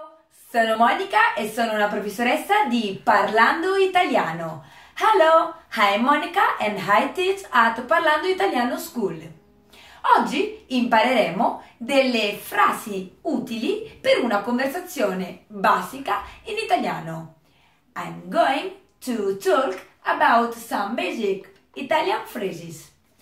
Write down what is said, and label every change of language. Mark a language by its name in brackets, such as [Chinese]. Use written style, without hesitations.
[Italian] Sono Monica e sono una professoressa di Parlando Italiano. [English] Hello, I'm Monica and I teach at Parlando Italiano School. [Italian] Oggi impareremo delle frasi utili per una conversazione basica in italiano. [English] I'm going to talk about some basic Italian phrases.